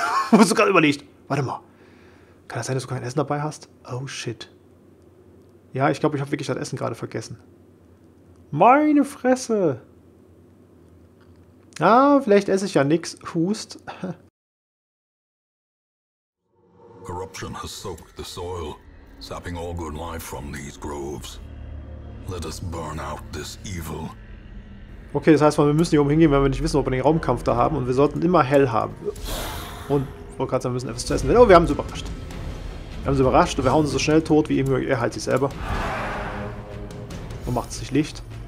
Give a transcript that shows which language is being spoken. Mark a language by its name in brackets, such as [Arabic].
[German] Wo hast du gerade überlegt? Warte mal. Kann das sein, dass du kein Essen dabei hast? Oh, shit. Ja, ich glaube, ich habe wirklich das Essen gerade vergessen. Meine Fresse. Ah, vielleicht esse ich ja nichts. Hust. [English] Corruption has soaked the soil, sapping all good life from these groves. Let us burn out this evil. [German] Okay, das heißt, wir müssen hier oben hingehen, weil wir nicht wissen, ob wir den Raumkampf da haben. Und wir sollten immer hell haben. Und wollte gerade sagen, wir müssen etwas zu essen. Oh, wir haben sie überrascht. Wir haben sie überrascht und wir hauen sie so schnell tot wie eben. Er heilt sich selber. Und macht sich Licht.